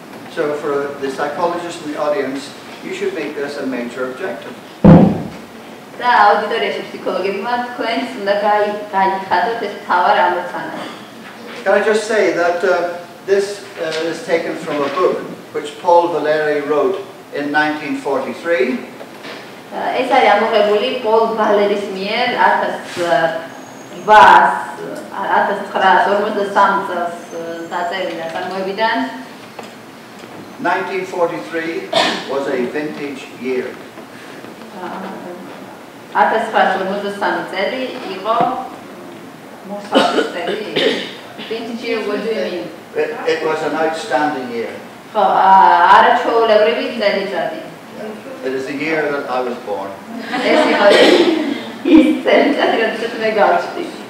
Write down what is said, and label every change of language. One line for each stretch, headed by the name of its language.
English: So for the psychologist in the audience, you should make this a major objective.
Georgian: და აუდიტორიაში ფსიქოლოგებმა თქვენს უნდა განიხადოთ ეს მთავარ ამოცანა.
English: Can I just say that this is taken from a book which Paul Valéry wrote in 1943.
Georgian: ეს არის ამოღებული პოლ ვალერის მიერ 1943 წელს დაწერილი ნაწარმოებიდან.
English: 1943 was a vintage year.
Georgian: 1943 წელი იყო მოსავლის წელი.
English: Vintage year, what do you mean? It was an outstanding year.
Georgian: ხო, არაჩვეულებრივი წელი წადი.
English: It is the year that I was born.
Georgian: ეს იყო ის წელი, რომელსაც მე გავჩნდი.